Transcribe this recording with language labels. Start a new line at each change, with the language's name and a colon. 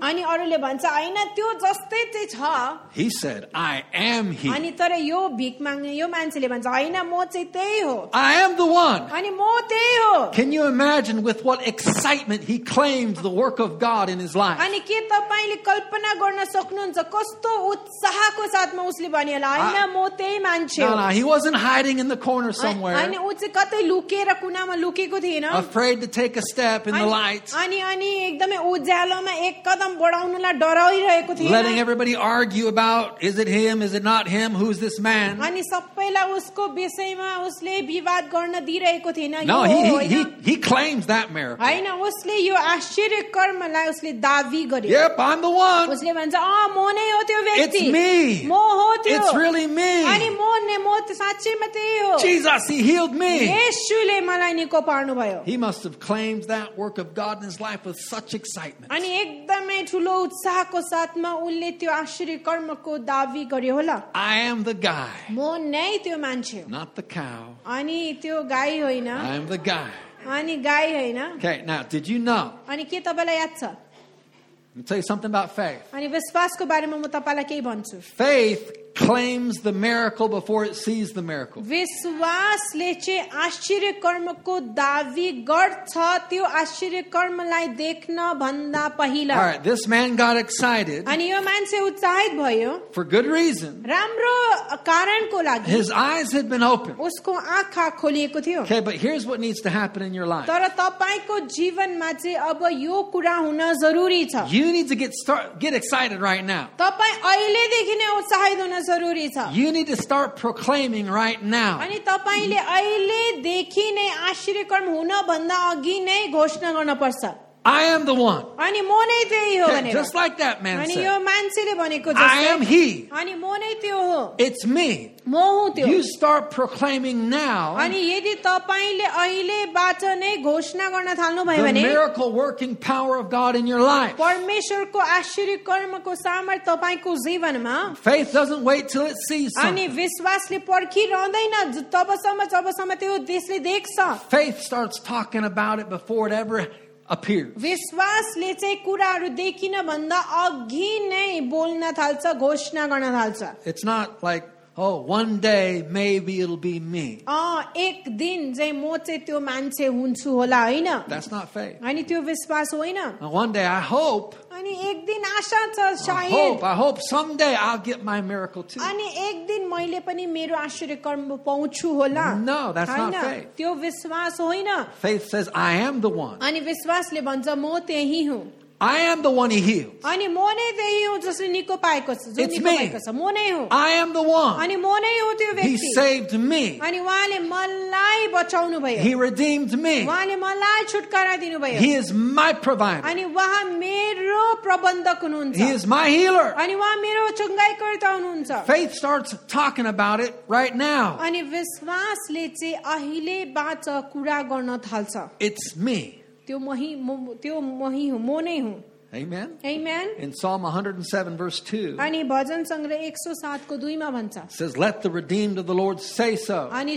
Nepali: अनि अरूले भन्छ हैन त्यो जस्तै चाहिँ छ.
English: He said, "I am he."
Nepali: अनि तर यो भिक माग्ने यो मान्छेले भन्छ हैन म चाहिँ त्यही हो.
English: I am the one.
Nepali: अनि म त्यही हो.
English: Can you imagine with what excitement he claimed the work of God in his life?
Nepali: अनि के तपाईले कल्पना गर्न सक्नुहुन्छ कस्तो उत्साहको साथमा उसले भन्यो होला हैन म त्यही मान्छे हो.
English: No, he wasn't hiding in the corner somewhere.
Nepali: अनि उ चाहिँ कतै लुकेर कुनामा लुकेको
English: afraid to take a step in the light.
Nepali: अनि एकदमै उज्यालोमा एक कदम बढाउनलाई डराइरहेको थिए.
English: Letting everybody argue about is it him, is it not him, who is this man?
Nepali: अनि सबैलाई उसको विषयमा उसले विवाद गर्न दिइरहेको थिएन.
English: No, he claims that miracle.
Nepali: हैन उसले यो आश्चर्यकर्मलाई उसले दाबी गर्यो.
English: Yep, I'm the one.
Nepali: उसले भन्छ अ म नै हो त्यो व्यक्ति.
English: It's me.
Nepali: म हो त्यो.
English: It's really me.
Nepali: अनि म नै म त साच्चैमा त्यही हो.
English: Jesus, he healed me.
Nepali: येशूले मलाई निको पार्नु.
English: He must have claimed that work of God in his life with such excitement.
Nepali: अनि एकदमै ठूलो उत्साहको साथमा उनले त्यो आश्चर्यकर्मको दावी गरे होला.
English: I am the guy.
Nepali: म नै त्यो मान्छे.
English: Not the cow.
Nepali: अनि त्यो गाई होइन.
English: I am the guy.
Nepali: अनि गाई होइन.
English: Okay, now did you know?
Nepali: अनि के तपाईलाई याद छ?
English: Let me tell you something about faith.
Nepali: अनि विश्वासको बारेमा म तपाईलाई के भन्छु?
English: Faith claims the miracle before it sees the miracle.
Nepali: विश्वासले चाहिँ आश्चर्यकर्मको दावी गर्छ त्यो आश्चर्यकर्मलाई देख्न भन्दा पहिला.
English: All right, this man got excited.
Nepali: अनि यो मान्छे उत्साहित भयो.
English: For good reason.
Nepali: राम्रो कारणको लागि.
English: His eyes had been opened.
Nepali: उसको आँखा खोलिएको थियो.
English: Okay, but here's what needs to happen in your life.
Nepali: तर तपाईको जीवनमा चाहिँ अब यो कुरा हुन जरुरी छ.
English: You need to get excited right now.
Nepali: तपाई अहिले देखि नै उत्साहित
English: You need to start proclaiming right now.
Nepali: अनि तपाईले अहिले देखि नै आश्चर्यकर्म हुन भन्दा अघि नै घोषणा गर्न पर्छ.
English: I am the one.
Nepali: अनि म नै त्यही हो भनेर.
English: Just like that man said.
Nepali: अनि यो मान्छेले भनेको जस्तै.
English: I am he.
Nepali: अनि म नै त्यो हो.
English: It's me.
Nepali: म हुँ त्यो.
English: You start proclaiming now.
Nepali: अनि यदि तपाईले अहिले बाट नै घोषणा गर्न थाल्नु भयो भने.
English: The miracle working power of God in your life.
Nepali: परमेश्वरको आश्चर्यकर्मको सामर्थ्य तपाईको जीवनमा.
English: Faith doesn't wait till it sees something.
Nepali: अनि विश्वासले पर्खिरहँदैन तबसम्म जबसम्म त्यो त्यसले देख्छ.
English: Faith starts talking about it before it ever appears.
Nepali: विश्वासले चाहिँ कुराहरु देखिन भन्दा अघि नै बोल्न थाल्छ घोषणा गर्न थाल्छ.
English: It's not like oh one day maybe it'll be me.
Nepali: आ एक दिन चाहिँ म चाहिँ त्यो मान्छे हुन्छु होला हैन.
English: That's not faith.
Nepali: अनि त्यो विश्वास होइन.
English: One day I hope.
Nepali: अनि एक दिन आशा छ सायद.
English: I hope someday I'll get my miracle too.
Nepali: अनि एक दिन मैले पनि मेरो आश्चर्यकर्म पाउँछु होला.
English: No, that's not faith.
Nepali: त्यो विश्वास होइन.
English: Faith says I am the one.
Nepali: अनि विश्वासले भन्छ म त्यही हुँ.
English: I am the one he heals.
Nepali: अनि म नै त्यही हो जसले निको पाएको छ, जो निको भएको छ, म नै हो.
English: I am the one.
Nepali: अनि म नै हो त्यो व्यक्ति.
English: He saved me.
Nepali: अनि उहाँले मलाई बचाउनु भयो.
English: He redeemed me.
Nepali: उहाँले मलाई छुटकारा दिनुभयो.
English: He is my provider.
Nepali: अनि उहाँ मेरो प्रबन्धक हुनुहुन्छ.
English: He is my healer.
Nepali: अनि उहाँ मेरो चंगाईकर्ता हुनुहुन्छ.
English: Faith starts talking about it right now.
Nepali: अनि विश्वासले चाहिँ अहिलेबाट कुरा गर्न थाल्छ.
English: It's me. Amen. Amen. In Psalm 107, verse 2, says, let the redeemed of the Lord say so.